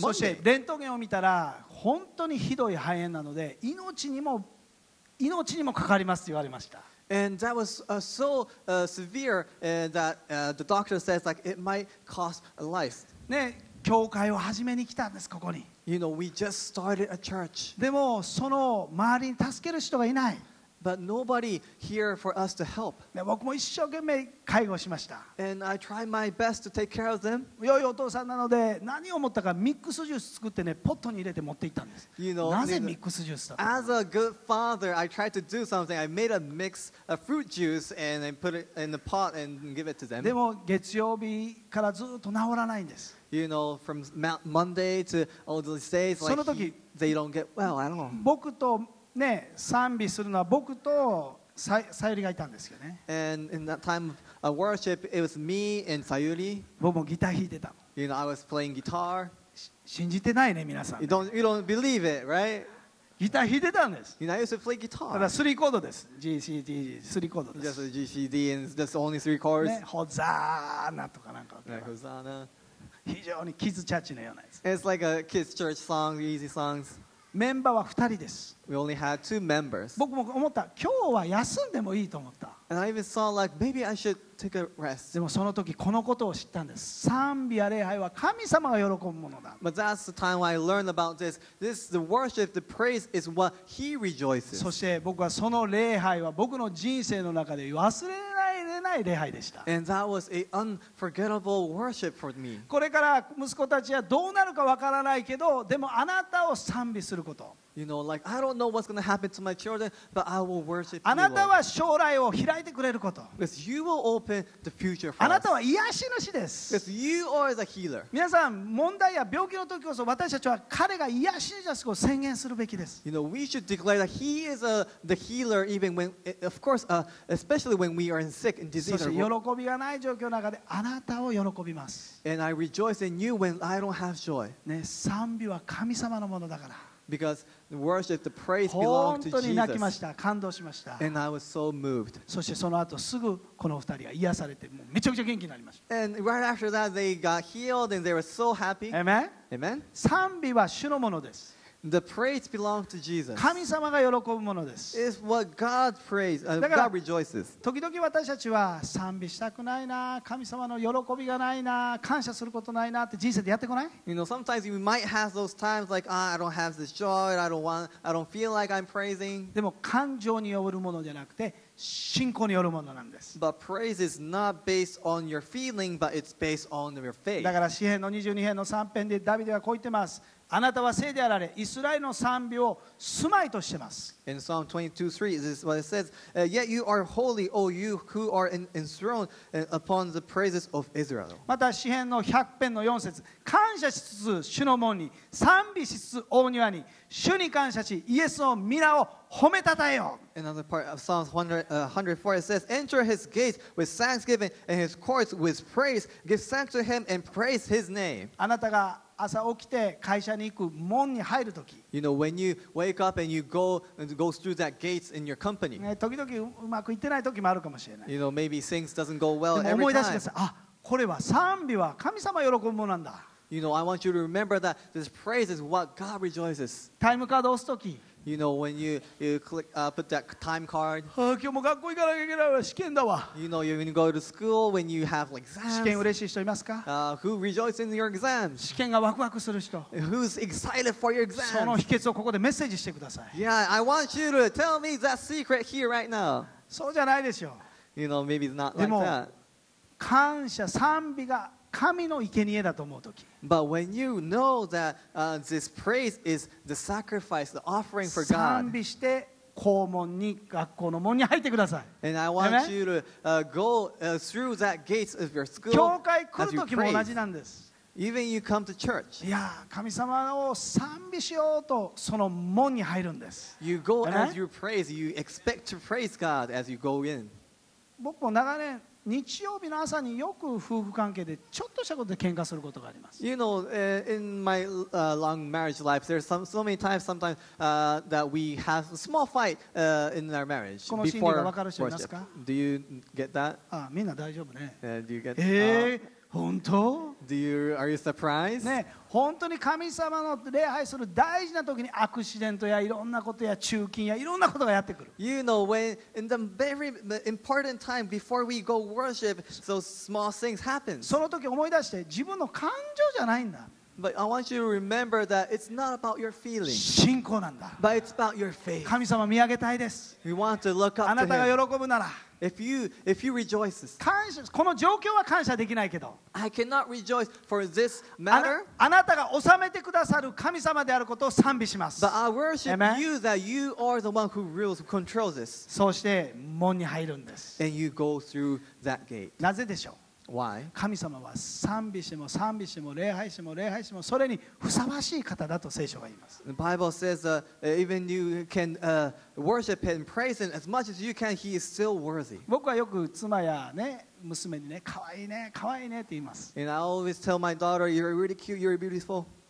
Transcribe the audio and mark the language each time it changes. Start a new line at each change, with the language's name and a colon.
Japanese: そしてレントゲンを見たら本当にひどい肺炎なので命にもかかりますと言われました。
English: And that was so severe that the doctor says like it might cost a life.
Japanese: ね、教会を始めに来たんですここに。
English: You know, we just started a church.
Japanese: でもその周りに助ける人がいない。
English: But nobody here for us to help.
Japanese: 僕も一生懸命介護しました。
English: And I tried my best to take care of them.
Japanese: 良いお父さんなので何を思ったかミックスジュース作ってねポットに入れて持って行ったんです。
English: You know,
Japanese: なぜミックスジュースだったの？
English: As a good father, I tried to do something. I made a mix of fruit juice and I put it in the pot and give it to them.
Japanese: でも月曜日からずっと治らないんです。
English: You know, from Monday to all these days, like
Japanese: その時
English: they don't get well at all.
Japanese: 僕とね、賛美するのは僕とさゆりがいたんですよね。
English: And in that time of worship, it was me and Sayuri.
Japanese: 僕もギター弾いてた。
English: You know, I was playing guitar.
Japanese: 信じてないね、皆さん、ね。
English: You don't believe it, right?
Japanese: ギター弾いてたんです。
English: You know, I used to play guitar.
Japanese: ただ3コードです。G C D G 3コードです。
English: Just G C D and just only 3 chords.、
Japanese: ね、Hosanna とかなんか。
English: Hosanna.
Japanese: 非常にキッズチャーチのようなやつ。
English: It's like a kids church song, easy songs.
Japanese: メンバーは2人です。
English: We only had two members.
Japanese: 僕も思った。今日は休んでもいいと思った。
English: And I even saw like maybe I should take a rest.
Japanese: でもその時このことを知ったんです。賛美や礼拝は神様が喜ぶものだ。
English: But that's the time when I learned about this. This the worship, the praise is what He rejoices.
Japanese: そして僕はその礼拝は僕の人生の中で忘れられない。
English: And that was an unforgettable worship for me.
Japanese: これから息子たちはどうなるかわからないけど、でもあなたを賛美すること。
English: You know, like I don't know what's going to happen to my children, but I will worship you.
Japanese: あなたは将来を開いてくれること。
English: Because you will open the future for us.
Japanese: あなたは癒し主です。
English: Because you are the healer.
Japanese: 皆さん、問題や病気の時こそ私たちは彼が癒し主を宣言するべきです。
English: You know, we should declare that he is the healer even when, of course, especially when we are sick and diseased.
Japanese: そして喜びがない状況の中であなたを喜びます。
English: And I rejoice in you when I don't have joy.
Japanese: ね、賛美は神様のものだから。
English: Because the worship, the praise belongs to Jesus.
Japanese: 本当に泣きました。感動しました。
English: And I was so moved.
Japanese: そしてその後すぐこの二人が癒されて、もうめちゃくちゃ元気になりました。
English: And right after that, they got healed and they were so happy. Amen. Amen.
Japanese: 賛美は主のものです。
English: The praise belongs to Jesus.
Japanese: 神様が喜ぶものです。
English: It's what God praises. God rejoices.
Japanese: 時々私たちは賛美したくないな、神様の喜びがないな、感謝することないなって人生でやってこない？
English: You know, sometimes you might have those times like, ah, I don't have this joy. I don't feel like I'm praising.
Japanese: でも感情によるものじゃなくて信仰によるものなんです。
English: But praise is not based on your feeling, but it's based on your faith.
Japanese: だから詩篇の22編の3編でダビデはこう言ってます。あなたは聖であられ、イスラエルの賛美を住まいとしてます。
English: In Psalm 22:3, this is what it says: Yet you are holy, O you who are enthroned upon the praises of Israel.
Japanese: また詩篇の100篇の4節、感謝しつつ主の門に、賛美しつつ大庭に、主に感謝し、イエスの御名を褒めたたえよ。
English: Another part of Psalm 104, it says: Enter his gates with thanksgiving and his courts with praise. Give thanks to him and praise his name.
Japanese: あなたが朝起きて会社に行く門に入るとき、
English: You know, when you wake up and you go and goes through that gates in your company.
Japanese: ね、時々うまくいってない時もあるかもしれない。
English: You know, maybe things doesn't go well every time.
Japanese: 思い出します。あ、これは賛美は神様喜ぶものなんだ。
English: You know, I want you to remember that this praise is what God rejoices.
Japanese: タイムカード押すとき、
English: You know, when you click, put that time card.
Japanese: 今日も学校行かなきゃいけないわ、試験だわ。
English: You know, when you go to school, when you have like exams.
Japanese: 試験嬉しい人いますか？
English: Who rejoices in your exams?
Japanese: 試験がワクワクする人。
English: Who's excited for your exams?
Japanese: その秘訣をここでメッセージしてください。
English: Yeah, I want you to tell me that secret here right now.
Japanese: そうじゃないですよ。
English: You know, maybe it's not like that.
Japanese: 感謝賛美が神の生贄だと思うとき。
English: But when you know that this praise is the sacrifice, the offering for God.
Japanese: 賛美して校門に学校の門に入ってください。
English: And I want Amen? You to go through that gates of your school.
Japanese: 教会来るときも同じなんです。
English: Even you come to church.
Japanese: いや、神様を賛美しようとその門に入るんです。
English: You go Amen? As you praise. You expect to praise God as you go in.
Japanese: 僕も長年日曜日の朝によく夫婦関係でちょっとしたことで喧嘩することがあります。
English: You know, in my long marriage life, there's so many times sometimes that we have a small fight in our marriage.
Japanese: この心理が分かる人いますか？
English: Do you get that?
Japanese: ああ、みんな大丈夫ね。
English: Do you get that?
Japanese: 本当？
English: Are you surprised?
Japanese: ね、本当に神様の礼拝する大事な時にアクシデントやいろんなことや中禁やいろんなことがやってくる。
English: You know, when in the very important time before we go worship, those small things happen.
Japanese: その時思い出して自分の感情じゃないんだ。
English: But I want you to remember that it's not about your feelings.
Japanese: 信仰なんだ。
English: But it's about your faith.
Japanese: 神様見上げたいです。
English: We want to look up
Japanese: to him. あなたが喜ぶなら。
English: If you rejoice,
Japanese: 感謝この状況は感謝できないけど、
English: I cannot rejoice for this matter.
Japanese: あなたが治めてくださる神様であることを賛美します。
English: But I worship、Amen? You that you are the one who rules, controls this.
Japanese: そして門に入るんです。
English: And you go through that gate.
Japanese: なぜでしょう。
English: Why?
Japanese: 神様は賛美しても賛美しても礼拝しても礼拝してもそれにふさわしい方だと聖書は言います。
English: The Bible says even you can worship and praise him as much as you can, he is still worthy.
Japanese: 僕はよく妻やね娘にね可愛いね可愛いねって言います。
English: And I always tell my daughter, you're really cute, you're beautiful.